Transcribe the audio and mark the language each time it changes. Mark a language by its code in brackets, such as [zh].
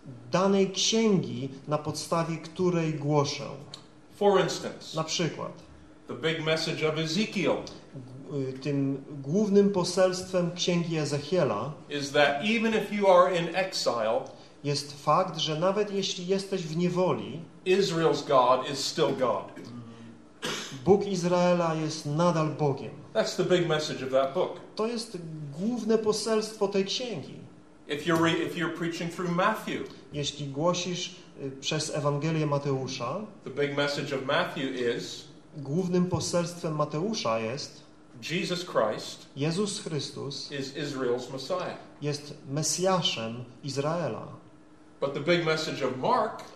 [pl] Danej księgi, na podstawie której głoszę. [en] For instance, [pl] na przykład, [en] the big message of Ezekiel. [pl] Tym głównym poselstwem księgi Ezechiela [en] is that even if you are in exile, [pl] jest fakt, że nawet jeśli jesteś w niewoli, [en] Israel's God is still God. [pl] Bóg Izraela jest nadal Bogiem. [en] That's the big message of that book. [pl] To jest główne poselstwo tej księgi. [en] If you're preaching through Matthew, [pl] jeśli głosisz przez Ewangelię Mateusza, [en] the big message of Matthew is, [pl] głównym poselstwem Mateusza jest [en] Jesus Christ, [pl] Jezus Chrystus [en] is Israel's Messiah. [pl] Jest Mesjaszem Izraela. [en] But the big message of Mark,